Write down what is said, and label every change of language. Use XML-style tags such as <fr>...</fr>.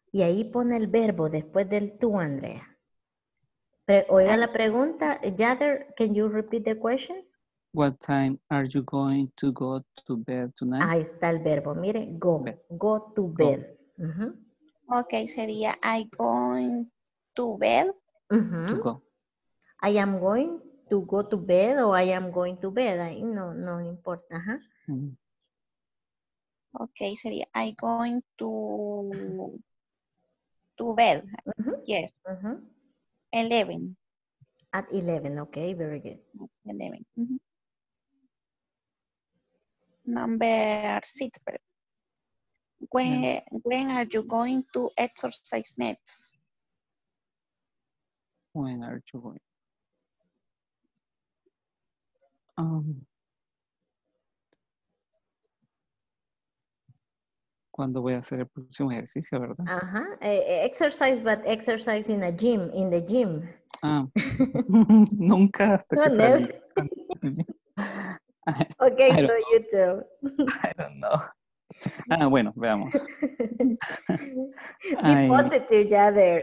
<es>Y ahí pone el verbo después del tú, Andrea. Oiga la pregunta,</es> <en>Yader, can you repeat the question? What time are you going to go to bed tonight?</en> <es>Ahí está el verbo. Mire,</es> <en>go to bed. Go.</en> <es>Mm-hmm.</es> <en>Okay, sería I going to bed. Mm-hmm. To go. I am going to go to bed or I am going to bed.</en> <es>I, no, no importa. Ajá.</es> <en>Okay, sería I going to bed. Mm-hmm. Yes. Mm-hmm. 11. At 11, okay, very good. 11. Mm-hmm. Number 6. When are you going to exercise next? When are you going?</en> <es>¿Cuándo voy a hacer el próximo ejercicio, verdad? Ajá. Uh-huh.</es> <en>Exercise, but exercise in a gym, in the gym.</en> <es>Ah. Nunca hasta que salga.</es> <en>Okay, okay, so you too. I don't know.</en> <es>Ah, bueno, veamos.</es> <en>Be positive, yeah, there.</en>